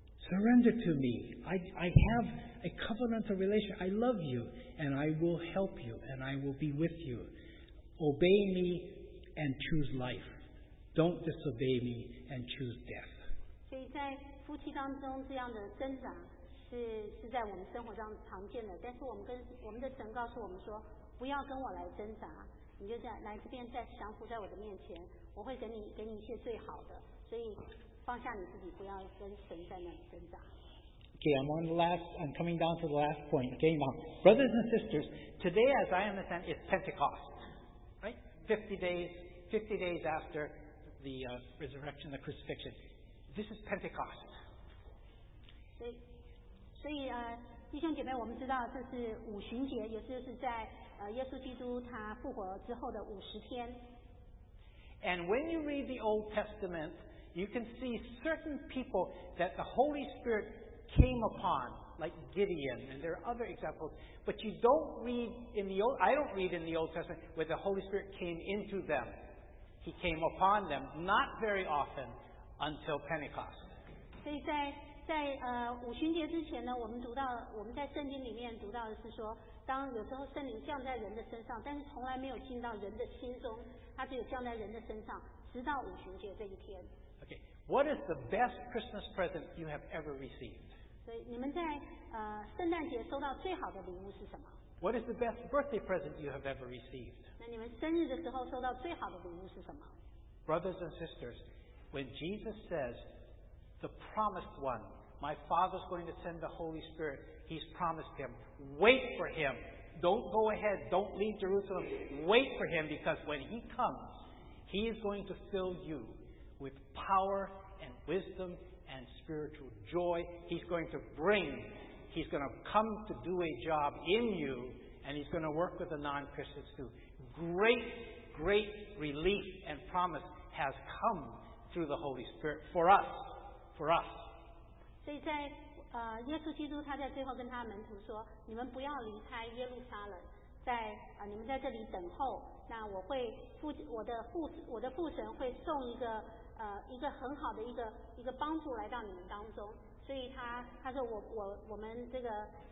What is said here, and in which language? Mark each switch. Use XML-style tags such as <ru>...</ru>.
<en>Surrender to me. I have a covenantal relationship. I love you. And I will help you, and I will be with you. Obey me and choose life. Don't disobey me and choose death.</en> <zh>所以在夫妻当中这样的挣扎是在我们生活当中常见的，但是我们的神告诉我们说，不要跟我来挣扎，你就在来这边再降服在我的面前，我会给你一些最好的，所以放下你自己，不要跟神在那里挣扎。</zh> <en>Okay, I'm coming down to the last point. Okay, now, brothers and sisters, today, as I understand, it's Pentecost, right? 50 days after the resurrection, the crucifixion. This is Pentecost.</en> <zh>所以弟兄姐妹，我们知道这是五旬节，也就是在耶稣基督他复活之后的五十天。</zh> <en>And when you read the Old Testament, you can see certain people that the Holy Spirit came upon, like Gideon, and there are other examples, but you don't read in the Old, I don't read in the Old Testament where the Holy Spirit came into them. He came upon them, not very often, until Pentecost.</en> <zh>所以在五旬节之前呢，我们在圣经里面读到的是说，当有时候圣灵降在人的身上，但是从来没有进到人的心中，它只有降在人的身上，直到五旬节这一天。</zh> <en>Okay, what is the best Christmas present you have ever received?</en> <zh>所以你们在圣诞节收到最好的礼物是什么？</zh> <en>What is the best birthday present you have ever received?</en> <zh>那你们生日的时候收到最好的礼物是什么？</zh> <en>Brothers and sisters, when Jesus says, the promised one, my Father's going to send the Holy Spirit, he's promised him, wait for him, don't go ahead, don't leave Jerusalem, wait for him, because when he comes, he is going to fill you with power and wisdom and spiritual joy. He's going to come to do a job in you, and he's going to work with the non-Christians too. Great, great relief and promise has come through the Holy Spirit for us. For us.</en> <zh>所以在耶稣基督他在最后跟他的门徒说，你们不要离开耶路撒冷，在你们在这里等候，那我的父神会送一个很好的一个帮助来到你们当中，所以他说我们这个</zh>